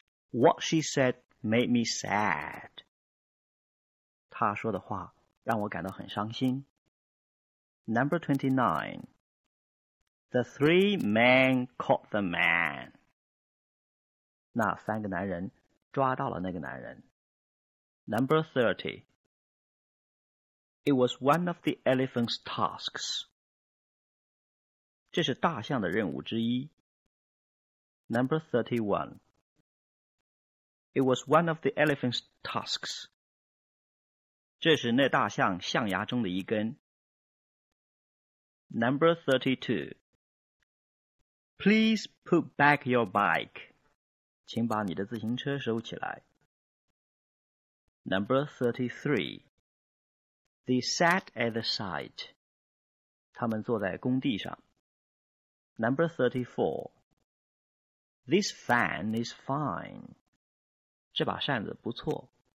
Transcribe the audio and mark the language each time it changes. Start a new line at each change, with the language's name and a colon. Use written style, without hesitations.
English: What she said made me sad.
Chinese: 她说的话让我感到很伤心。
English: Number 29. The three men caught the man.
Chinese: 那三个男人抓到了那个男人。
English: Number 30. It was one of the elephant's tasks.
Chinese: 这是大象的任务之一。
English: Number 31. It was one of the elephant's tasks.
Chinese: 这是那大象象牙中的一根。
English: Number 32. Please put back your bike.
Chinese: 请把你的自行车收起来。
English: Number 33. They sat at the site.
Chinese: 他们坐在工地上。
English: Number 34. This fan is fine.
Chinese: 这把扇子不错。